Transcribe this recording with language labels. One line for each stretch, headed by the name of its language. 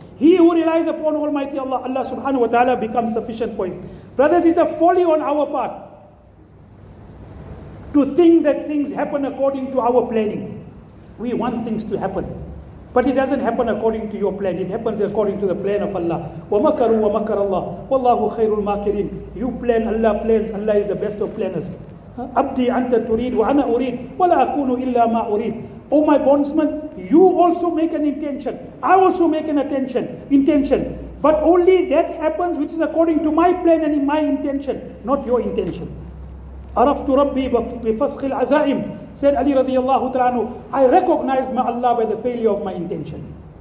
English: He who relies upon Almighty Allah, Allah subhanahu wa ta'ala becomes sufficient for him. Brothers, it's a folly on our part to think that things happen according to our planning. We want things to happen, but it doesn't happen according to your plan. It happens according to the plan of Allah.
Arabic: وَمَكَرُوا وَمَكَرَ اللَّهُ وَاللَّهُ خَيْرُ الْمَاكِرِينَ.
English: You plan, Allah plans. Allah is the best of planners.
Arabic: أَبْدِي أَنْتَ تُرِيدُ وَأَنَا أُرِيدُ وَلَا أَكُونُ إِلَّا مَا أُرِيدُ.
English: Oh, my bondsman, you also make an intention. I also make an intention. But only that happens which is according to my plan and in my intention, not your intention.
Arabic: Araftu Rabbi bi faskhil azaim,
English: said Ali radiallahu ta'ala anhu, I recognize my Allah by the failure of my intention.